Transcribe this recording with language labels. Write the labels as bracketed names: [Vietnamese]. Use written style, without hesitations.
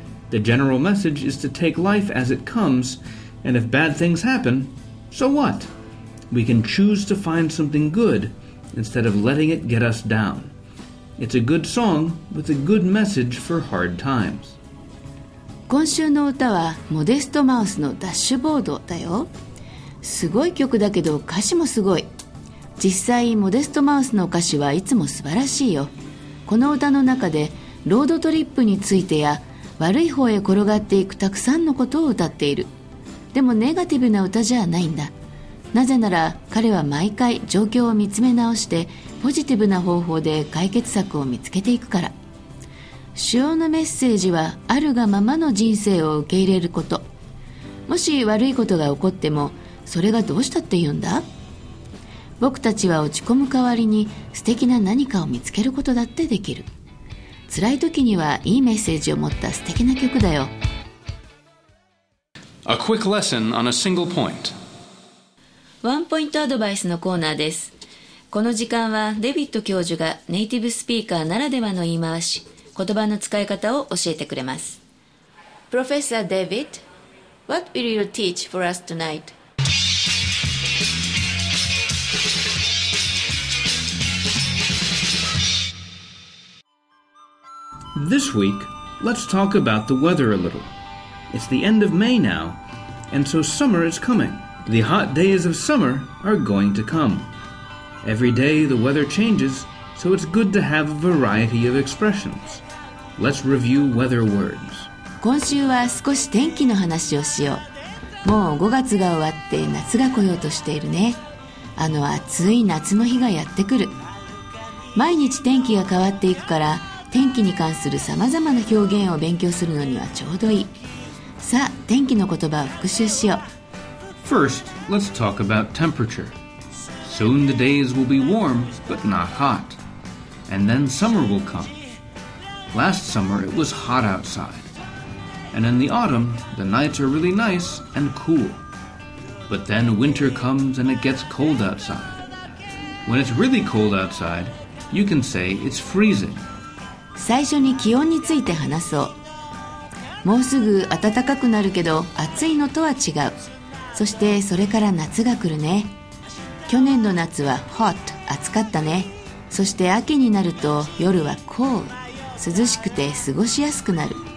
[English] The general message is to take life as it comes, and if bad things happen, so what? We can choose to find something good instead of letting it get us down. It's a good song with a good message for hard times. [Japanese] 今週の歌はモデストマウスのダッシュボードだよ。すごい曲だけど歌詞もすごい。実際モデストマウスの歌詞はいつも素晴らしいよ。この歌の中でロードトリップについてや悪い方へ転がっていくたくさんのことを歌っている。でもネガティブな歌じゃないんだ。なぜなら彼は毎回状況を見つめ直してポジティブな方法で解決策を見つけていくから。主要のメッセージはあるがままの人生を受け入れること。もし悪いことが起こってもそれがどうしたって言うんだ。僕たちは落ち込む代わりに素敵な何かを見つけることだってできる。辛い時にはいいメッセージを持った素敵な曲だよ。 [English] A quick lesson on a single point. [Japanese] ワンポイントアドバイスのコーナーです。この時間はデビッド教授がネイティブスピーカーならではの言い回し、言葉の使い方を教えてくれます。 [English] Professor David, what will you teach for us tonight? This week, let's talk about the weather a little. It's the end of May now,And so summer is coming. The hot days of summer are going to come. Every day the weather changes, so it's good to have a variety of expressions. Let's review weather words. [Japanese] 今週は少し天気の話をしよう。もう5月が終わって夏が来ようとしているね。あの暑い夏の日がやってくる。毎日天気が変わっていくから、天気に関するさまざまな表現を勉強するのにはちょうどいい。さあ、天気の言葉を復習しよう。 [English] First, let's talk about temperature. Soon the days will be warm, but not hot. And then summer will come. Last summer it was hot outside. And in the autumn, the nights are really nice and cool. But then winter comes and it gets cold outside. When it's really cold outside, you can say it's freezing. [Japanese] 最初に気温について話そう。もうすぐ暖かくなるけど暑いのとは違う。そしてそれから夏が来るね。去年の夏は hot、 暑かったね。そして秋になると夜は cool、 涼しくて過ごしやすくなる。